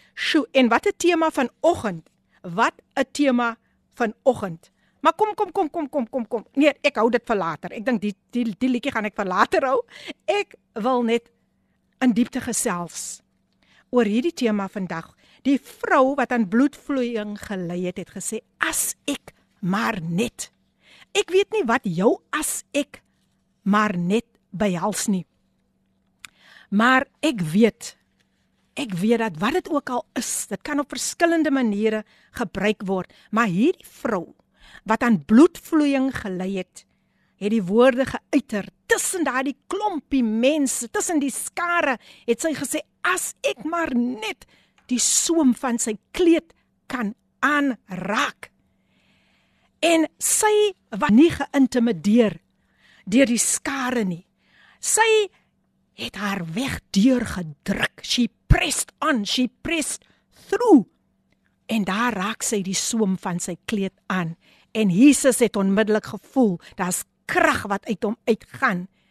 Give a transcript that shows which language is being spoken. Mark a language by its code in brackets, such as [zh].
[af] Sjoe, en wat 'n tema vanoggend. Wat 'n tema vanoggend. Maar kom. Nee, ek hou dit vir later. Ek dink die liedjie gaan ek vir later hou. Ek wil net in diepte gesels oor hierdie tema vandag. Die vrou wat aan bloedvloeiing gelei het, het gesê, as ek maar net. Ek weet nie wat jou as ek maar net behels nie. Maar ek weet dat wat het ook al is, dit kan op verskillende maniere gebruik word. Maar hierdie vrou wat aan bloedvloeiing gelei het, het die woorde geuiter, tussen daardie klompie mense, tussen die skare, het sy gesê, as ek maar net die soem van sy kleed kan aanraak. En sy was nie geïntimideer deur die skare nie. Sy het haar weg deur gedruk. [en] She pressed through. [af] En daar raak sy die soem van sy kleed aan. En Jesus het onmiddellik gevoel, daar's krag wat uit hom uitgaan.